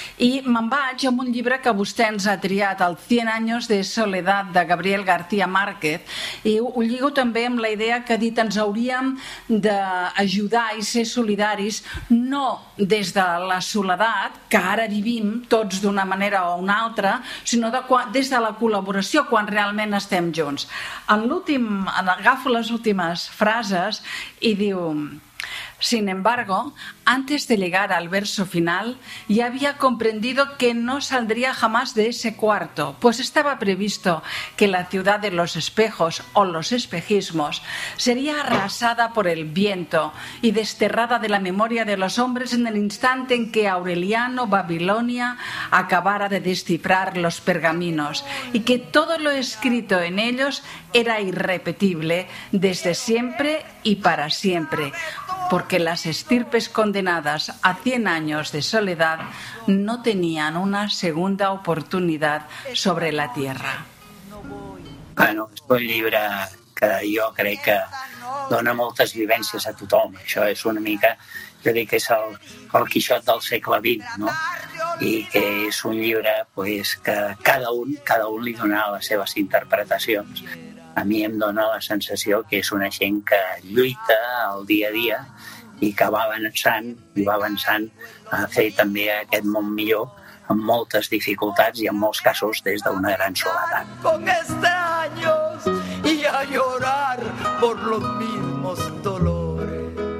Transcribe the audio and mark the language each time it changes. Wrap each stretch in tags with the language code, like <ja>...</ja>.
<ca>I me'n vaig amb un llibre que vostè ens ha triat, el 100 anys de soledat, de Gabriel García Márquez, i ho lligo també amb la idea que ha dit, ens hauríem d'ajudar i ser solidaris, no des de la soledat, que ara vivim tots d'una manera o una altra, sinó des de la col·laboració, quan realment estem junts.</ca> <es>Agafo les últimes frases i diu: sin embargo, antes de llegar al verso final, ya había comprendido que no saldría jamás de ese cuarto, pues estaba previsto que la ciudad de los espejos o los espejismos sería arrasada por el viento y desterrada de la memoria de los hombres en el instante en que Aureliano Babilonia acabara de descifrar los pergaminos, y que todo lo escrito en ellos era irrepetible desde siempre y para siempre, porque las estirpes condenadas a 100 años de soledad no tenían una segunda oportunidad sobre la tierra.</es> <ca>Bueno, és un llibre que jo crec que dona moltes vivències a tothom. Això és una mica, jo dic que és el Quixot del segle XX, no? I que és un llibre, pues, que cada un li dona les seves interpretacions. A mi em dona la sensació que és una gent que lluita el dia a dia i que va avançant a fer també aquest món millor amb moltes dificultats i en molts casos des d'una gran soledat.</ca> <es>Con este años y a llorar por los mismos dolores.</es>